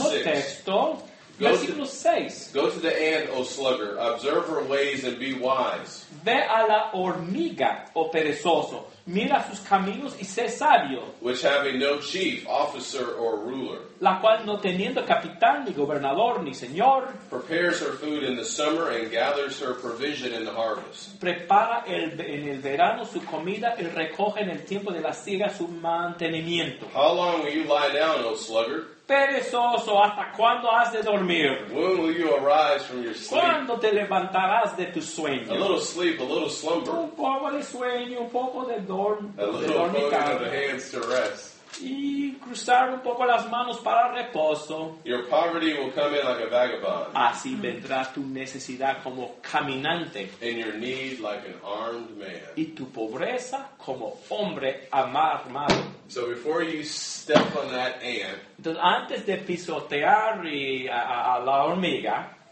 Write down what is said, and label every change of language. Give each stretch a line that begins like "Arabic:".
Spanish: Mismo texto. Versículo 6.
English: Go to the ant, O slugger. Observe her ways and be wise.
Spanish: Ve a la hormiga, oh perezoso. Mira sus caminos y sé sabio.
English: Which having no chief, officer, or ruler.
Spanish: La cual no teniendo capitán, ni gobernador, ni señor.
English: Prepares her food in the summer and gathers her provision in the harvest.
Spanish: Prepara en el verano su comida y recoge en el tiempo de la siega su mantenimiento.
English: How long will you lie down, O sluggard?
Spanish: Perezoso, ¿hasta cuándo has de dormir?
English: When will you arise from your sleep?
Spanish: ¿Cuándo te levantarás de tu sueño?
English: A little sleep, a little slumber.
Spanish: Un poco de sueño, un poco de dormir.
English: A little holding of the hands to rest.
Spanish: Y cruzar un poco las manos para reposo.
English: Your poverty will come in like a vagabond.
Spanish: Así vendrá tu necesidad como caminante.
English: And your need like an armed man.
Spanish: Y tu pobreza como hombre armado.
English: So before you step on that ant.
Spanish: Entonces antes de pisotear a la hormiga.